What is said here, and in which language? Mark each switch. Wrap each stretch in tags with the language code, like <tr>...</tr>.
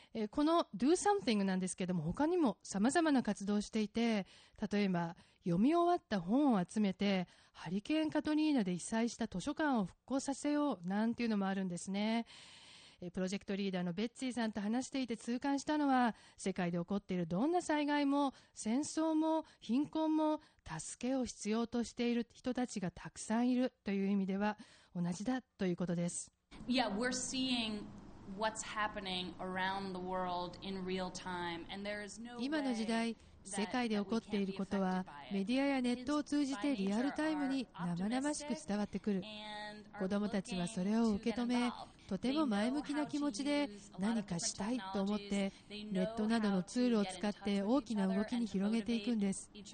<ja>この Do Something なんですけども、他にもさまざまな活動をしていて、例えば読み終わった本を集めてハリケーンカトリーナで被災した図書館を復興させようなんていうのもあるんですね。プロジェクトリーダーのベッツィさんと話していて痛感したのは、世界で起こっているどんな災害も戦争も貧困も助けを必要としている人たちがたくさんいるという意味では同じだということです。</ja> <en>Yeah, we're seeing what's happening around the world in real time, and there is no way</en> <ja>今の時代世界で起こっていることはメディアやネットを通じてリアルタイムに生々しく伝わってくる。子どもたちはそれを受け止め、とても前向きな気持ちで何かしたいと思ってネットなどのツールを使って大きな動きに広げていくんです。</ja>